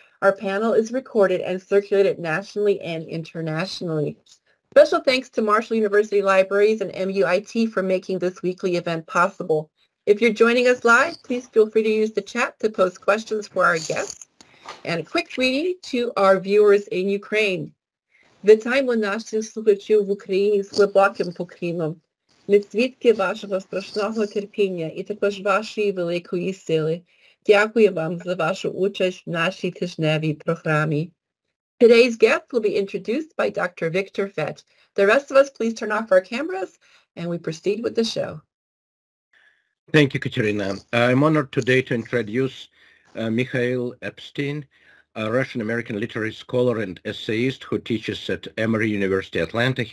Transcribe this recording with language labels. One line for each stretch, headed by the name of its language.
English: Our panel is recorded and circulated nationally and internationally. Special thanks to Marshall University Libraries and MUIT for making this weekly event possible. If you're joining us live, please feel free to use the chat to post questions for our guests. And a quick greeting to our viewers in Ukraine.
Ukrainian: Вітаємо наших слухачів в Україні з глибоким покріном. Ми свідки вашого страшного терпіння і також вашої великої сили. Дякую вам за вашу участь в нашій тижневій програмі.
English: Today's guest will be introduced by Dr. Victor Fett. The rest of us, please turn off our cameras and we proceed with the show. Thank you, Katerina. I'm honored today to introduce Mikhail Epstein, a Russian-American literary scholar and essayist who teaches at Emory University, Atlanta.